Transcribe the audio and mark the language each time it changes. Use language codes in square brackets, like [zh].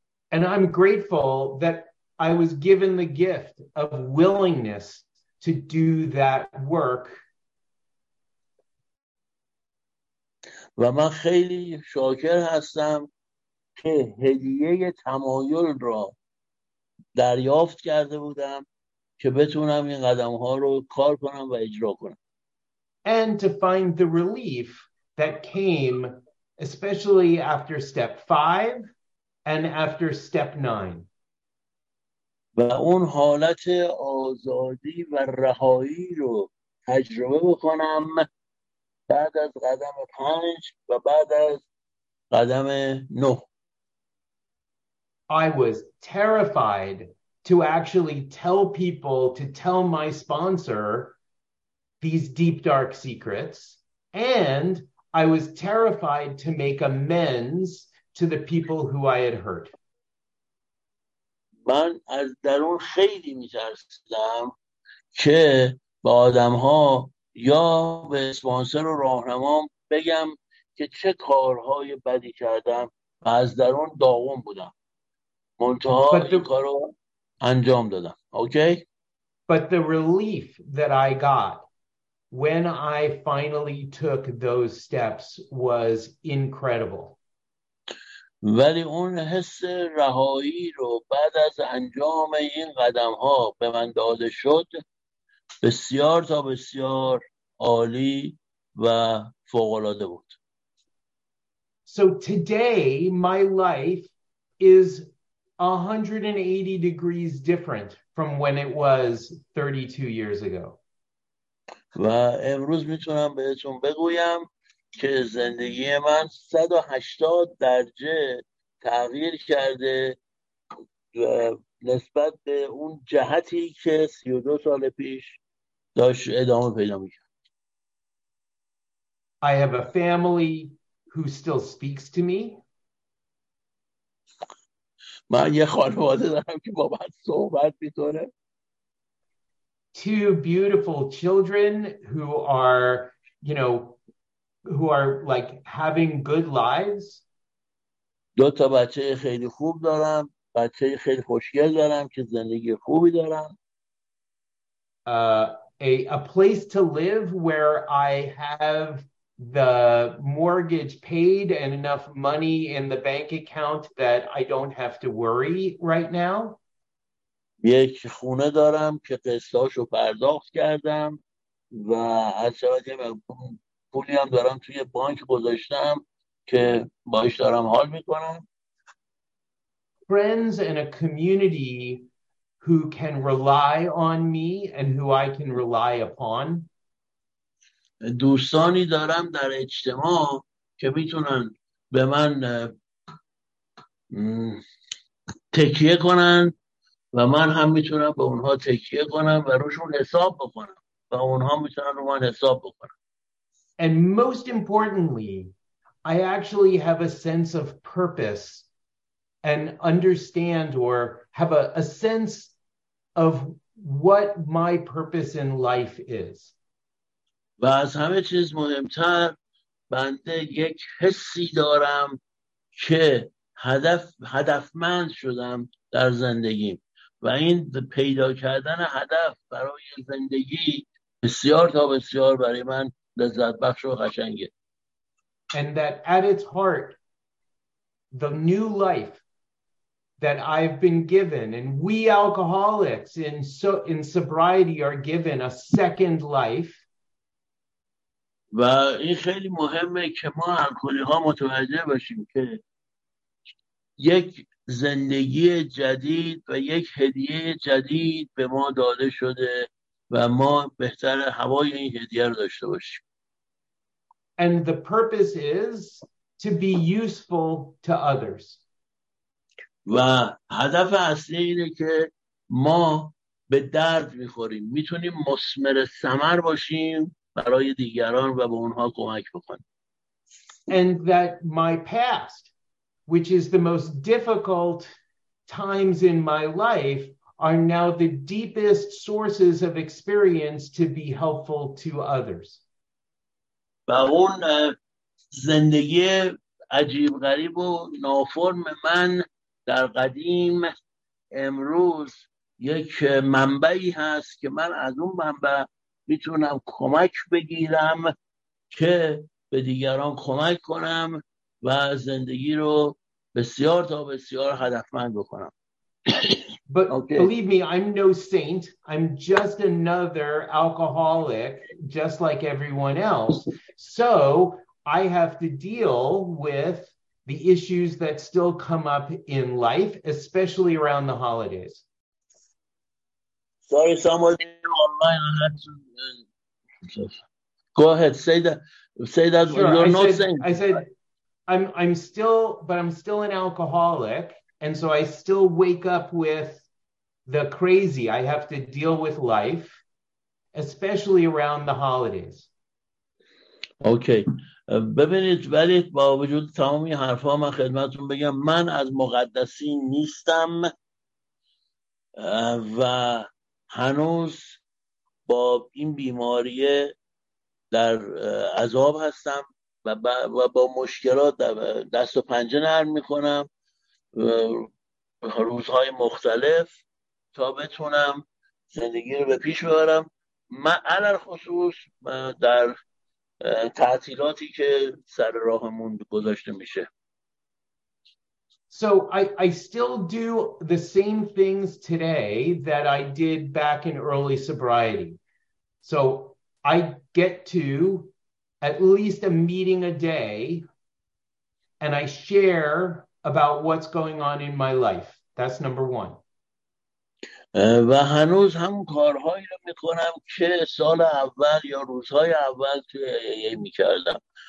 [en] And I'm grateful that I was given the gift of willingness to do that work. [fa] و من خیلی شاکر هستم که هدیه تمایل را دریافت کرده بودم که بتونم این قدم ها رو کار کنم و اجرا کنم. [en] And to find the relief that came, especially after step 5 and after step 9. [fa] و اون حالت آزادی و رهایی رو تجربه بکنم بعد از قدم 5 و بعد از قدم 9. [en] I was terrified to actually tell people, to tell my sponsor these deep dark secrets, and I was terrified to make amends to the people who I had hurt. [fa] من از درون خیلی می‌ترسیدم که با آدم‌ها یا به اسپانسر و راهنمام بگم که چه کارهای بدی کردم و از درون داغون بودم. منتها این کارو انجام دادم. [en] Okay? But the relief that I got when I finally took those steps was incredible. [fa] ولی اون حس رهایی رو بعد از انجام این قدم ها به من داده شد بسیار تا بسیار عالی و فوق العاده بود. [en] So today my life is 180 degrees different from when it was 32 years ago. [fa] و امروز میتونم بهتون بگویم که زندگی من 180 درجه تغییر کرده نسبت به اون جهتی که 32 سال پیش داشت ادامه پیدا میکرد. [en] I have a family who still speaks to me. [fa] من یه خانواده دارم که با من صحبت میکنه. [en] Two beautiful children who are, you know, who are like having good lives. [fa] دو تا بچه خیلی خوب دارم، بچه خیلی خوشگل دارم که زندگی خوبی دارم. [en] A place to live where I have the mortgage paid and enough money in the bank account that I don't have to worry right now. [fa] یک خونه دارم که قسطاشو پرداخت کردم و از شبت یه پولی هم دارم توی بانک گذاشتم که باش دارم حال میکنم. [en] Friends and a community who can rely on me and who I can rely upon. [fa] دوستانی دارم در اجتماع که میتونن به من تکیه کنن و من هم میتونم به اونها تکیه کنم و روشون حساب بکنم و اونها میتونن رو من حساب بکنن. [en] And most importantly, I actually have a sense of purpose and understand or have a sense of what my purpose in life is. [fa] و از همه چیز مهمتر بنده یک حسی دارم که هدفمند شدم در زندگیم. و این پیدا کردن هدف برای زندگی بسیار تا بسیار برای من لذت بخش و قشنگه. [en] And that at its heart, the new life that I've been given, and we alcoholics in sobriety are given a second life. [fa] و این خیلی مهمه که ما الکلی ها متوجه باشیم که یک زندگی جدید و یک هدیه جدید به ما داده شده و ما بهتر هوای این هدیه رو داشته باشیم. [en] And the purpose is to be useful to others. [fa] و هدف اصلی اینه که ما به درد میخوریم. میتونیم مثمر ثمر باشیم برای دیگران و به اونها کمک بکنیم. [en] And that my past, which is the most difficult times in my life, are now the deepest sources of experience to be helpful to others. [fa] و اون زندگی عجیب غریب و نافرم من در قدیم امروز یک منبعی هست که من از اون منبع میتونم کمک بگیرم که به دیگران کمک کنم و زندگی رو بسیار تا بسیار هدفمند بکنم. [en] But okay. Believe me, I'm no saint. I'm just another alcoholic, just like everyone else. So I have to deal with the issues that still come up in life, especially around the holidays. Sorry, somebody online. I had to go ahead. Say that. Sure, you're I not said, saying. I said, I'm still an alcoholic, and so I still wake up with the crazy. I have to deal with life, especially around the holidays. Okay. [fa] ببینید ولی با وجود تمامی حرفا من خدمتتون بگم من از مقدسین نیستم و هنوز با این بیماری در عذاب هستم و با مشکلات دست و پنجه نرم می‌کنم روزهای مختلف تا بتونم زندگی رو به پیش ببرم. من علل خصوص در تعطیلاتی که سر راهمون گذاشته میشه. [en] So I still do the same things today that I did back in early sobriety. So I get to at least a meeting a day and I share about what's going on in my life. That's number one. [fa] و هنوز هم کارهایی رو میکنم که سال اول یا روزهای اول توی میکردم.